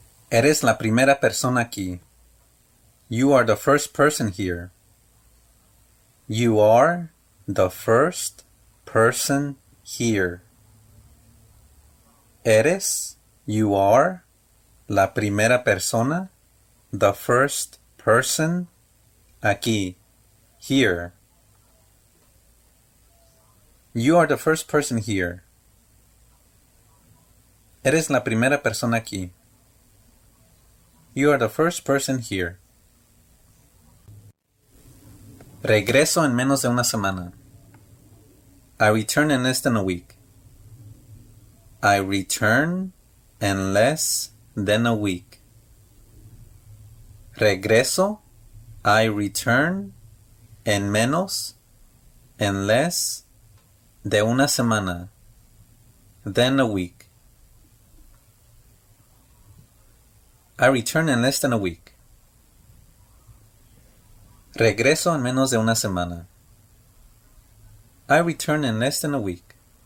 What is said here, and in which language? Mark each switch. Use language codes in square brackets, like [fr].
[es] Eres la primera persona aquí. [en] You are the first person here. You are the first person here. [es] Eres, [en] you are, [es] la primera persona, [en] the first person, [es] aquí, [en] here. You are the first person here. [es] Eres la primera persona aquí. [en] You are the first person here. [es] Regreso en menos de una semana. [en] I return in less than a week. I return in less than a week. [es] Regreso. [en] I return [es] en menos, en [en] less [es] de una semana. [en] Than a week. I return in less than a week. [es] Regreso en menos de una semana. [en] I return in less than a week.